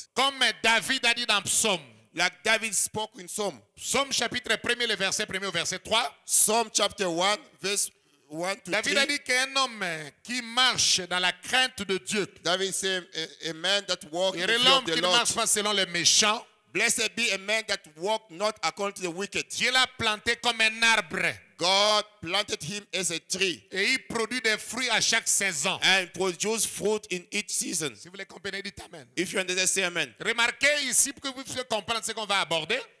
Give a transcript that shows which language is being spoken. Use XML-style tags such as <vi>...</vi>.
<fr>Comme David a dit dans Psaume.</fr> <en>Like David spoke in Psaume.</en> <fr>Psaume chapitre 1, le verset 1 au verset 3.</fr> <en>Psaume chapter 1, verse 1 to 3.</en> <fr>David a dit qu'un homme qui marche dans la crainte de Dieu.</fr> <en>David said, a man that walks in the fear of the Lord.</en> <fr>Heureux l'homme qui ne marche pas selon les méchants.</fr> <en>Blessed be a man that walks not according to the wicked.</en> <fr>Dieu l'a planté comme un arbre.</fr> <en>God planted him as a tree.</en> <fr>Et il produit des fruits à chaque saison.</fr> <en>And produce fruit in each season.</en> <fr>Si vous les comprenez, dites amen.</fr> <en>If you understand, say amen.</en> <fr>Remarquez ici pour que vous puissiez comprendre ce qu'on va aborder.</fr>